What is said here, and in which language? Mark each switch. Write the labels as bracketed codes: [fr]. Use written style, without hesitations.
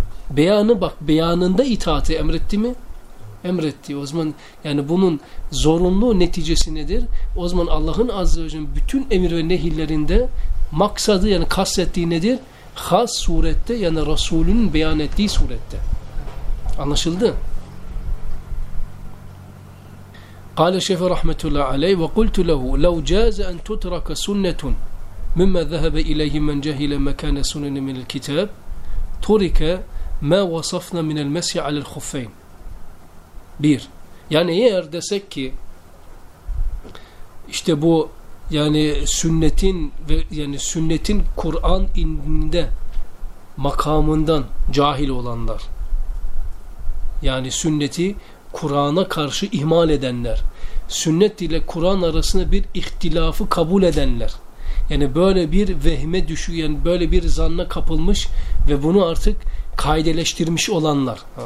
[tr] Beyanı bak, beyanında itaati emretti mi? Emretti. O zaman yani bunun zorunlu neticesi nedir? O zaman Allah'ın Azze ve Celle'nin bütün emir ve nehirlerinde maksadı, yani kastettiği nedir? Has surette, yani Resulünün beyan ettiği surette. Anlaşıldı? [ar] قال الشيخ رحمه الله عليه وقلت له لو جاز أن تترك سنة مما ذهب إليه من جهل مكان سنن من الكتاب ترك ما وصفنا من المسح على الخفين bir. [tr] Yani eğer desek ki işte bu yani sünnetin ve yani sünnetin Kur'an indinde makamından cahil olanlar, yani sünneti Kur'an'a karşı ihmal edenler, sünnet ile Kur'an arasında bir ihtilafı kabul edenler, yani böyle bir vehme düşüyen, yani böyle bir zanna kapılmış ve bunu artık kaideleştirmiş olanlar,